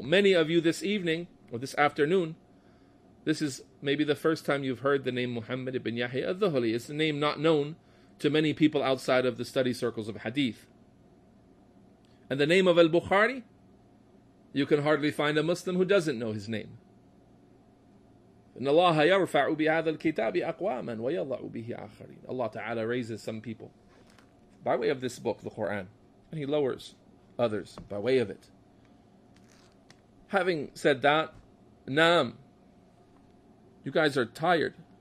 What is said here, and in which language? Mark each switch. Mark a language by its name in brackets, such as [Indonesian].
[English] Many of you this evening, or this afternoon, this is maybe the first time you've heard the name Muhammad ibn Yahya al-Dhuhli. It's a name not known to many people outside of the study circles of hadith. And the name of al-Bukhari? You can hardly find a Muslim who doesn't know his name. [Arabic] Allah يَرْفَعُ بِهَذَا الْكِتَابِ أَقْوَامًا وَيَضَعُ بِهِ آخَرِينَ. [English] Allah Ta'ala raises some people by way of this book, the Quran. And He lowers others by way of it. Having said that, naam, you guys are tired.